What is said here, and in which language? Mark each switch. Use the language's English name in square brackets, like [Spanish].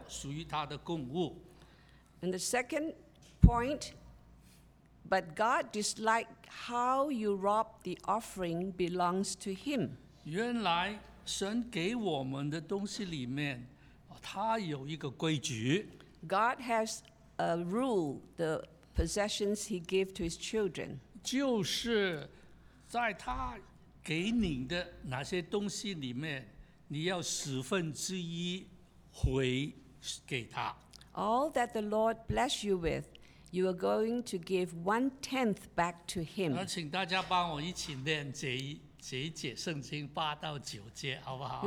[Chinese] 那但是第二点，我们看见呢，神不喜欢你抢了他，夺了属于他的供物。 [English] And the second point. But God dislikes how you rob the offering belongs to Him. [Chinese] 原来神给我们的东西里面，他有一个规矩。 [English] God has a rule, the possessions He gives to His children. [Chinese] 就是在他给你的那些东西里面，你要十分之一回给他。 [English] All that the Lord bless you with. You are going to give one tenth back to him. [Chinese] 请大家帮我一起念这一节圣经8到9节，好不好？